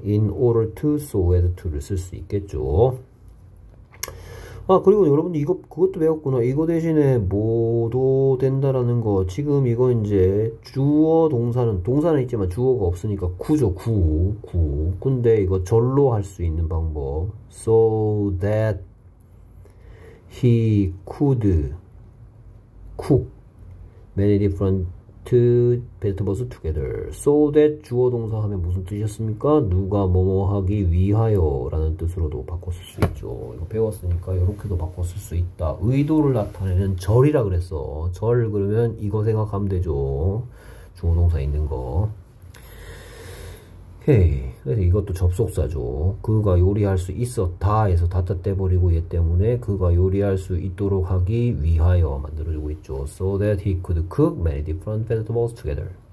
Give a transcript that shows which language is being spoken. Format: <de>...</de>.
<ko>In order to, so as to를 쓸수 있겠죠. 아, 그리고 여러분들 이거 그것도 배웠구나. 이거 대신에 뭐도 된다라는 거. 지금 이거 이제 주어 동사는, 동사는 있지만 주어가 없으니까 구죠. 구. 구. 근데 이거 절로 할수 있는 방법.</ko> <en>So that he could cook many different vegetables together.</en> <ko>So that 주어 동사 하면 무슨 뜻이었습니까? 누가 뭐뭐 하기 위하여라는 뜻으로도 바꿨을 수 있죠. 이거 배웠으니까 이렇게도 바꿨을 수 있다. 의도를 나타내는 절이라 그랬어. 절 그러면 이거 생각하면 되죠. 주어 동사 있는 거. 오케이. 그래서 이것도 접속사죠. 그가 요리할 수 있었다에서 다 떼버리고, 얘 때문에 그가 요리할 수 있도록 하기 위하여 만들어주고 있죠.</ko> <en>So that he could cook many different vegetables together.</en>